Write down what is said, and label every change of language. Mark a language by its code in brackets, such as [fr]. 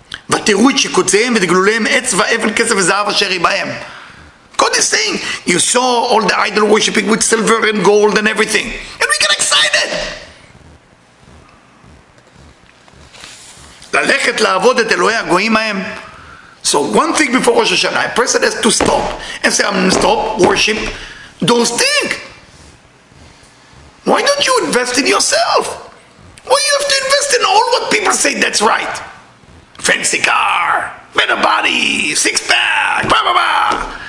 [he] ותראו את שקוציהם ודגלוליהם עץ ואבן כסף וזהב אשר היא בהם. [en] God is saying, you saw all the idol worshiping with silver and gold and everything. And we get excited. [he] ללכת לעבוד את אלוהי הגויים ההם. [en] So one thing before Rosh Hashanah, a person has to stop and say, I'm going to stop worship those things. Why don't you invest in yourself? Why you have to invest in all what people say that's right? Fancy car, better body, six pack, blah, blah, blah.